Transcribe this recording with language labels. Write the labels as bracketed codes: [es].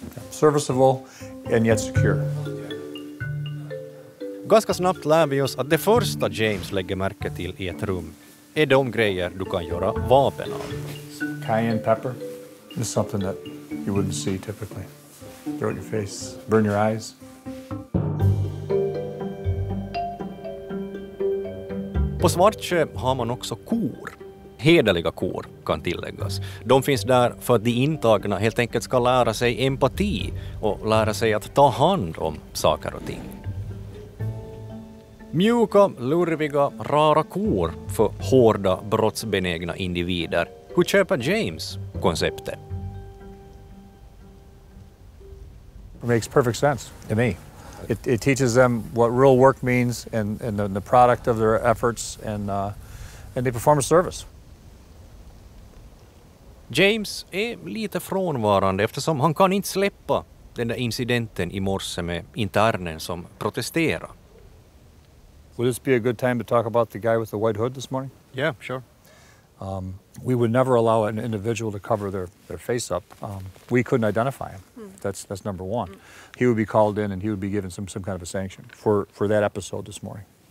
[en] Serviceable and yet secure. [sv] Ganska snabbt lär vi oss att det första James lägger märke till i ett rum är de grejer du kan göra vapen av. [en] Cayenne pepper is something that you wouldn't see typically. Throw it in your face, burn your eyes. [sv] På Svartsjö har man också kor. Hederliga kor kan tilläggas. De finns där för att de intagna helt enkelt ska lära sig empati och lära sig att ta hand om saker och ting. Mjuka, lurviga, rara kor för hårda, brottsbenägna individer. Hur köper James konceptet? [en] It makes perfect sense to me. It teaches them what real work means and the product of their efforts and they perform a service. [sv] James är lite frånvarande eftersom han kan inte släppa den där incidenten i morse med internen som protesterar. [en] Would this be a good time to talk about the guy with the white hood this morning? Yeah, sure. We would never allow an individual to cover their face up. We couldn't identify him. That's number one. He would be called in and he would be given some kind of a sanction for that episode this morning.